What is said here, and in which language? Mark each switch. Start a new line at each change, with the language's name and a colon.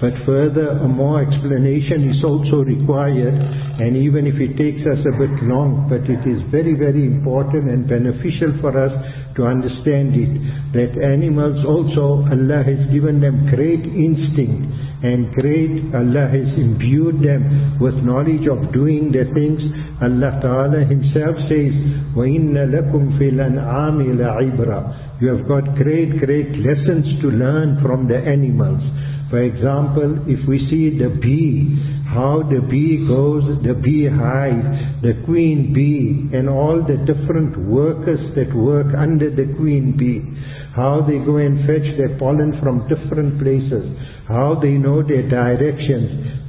English: But further, a more explanation is also required, and even if it takes us a bit long, but it is very, very important and beneficial for us to understand it, that animals also, Allah has given them great instinct, and great, Allah has imbued them with knowledge of doing their things. Allah Ta'ala Himself says,
Arabic: وَإِنَّ لَكُمْ فِي الْأَنْعَامِ لَعِبْرَى.
English: You have got great, great lessons to learn from the animals. For example, if we see the bee, how the bee goes, the beehive, the queen bee, and all the different workers that work under the queen bee, how they go and fetch their pollen from different places, how they know their directions.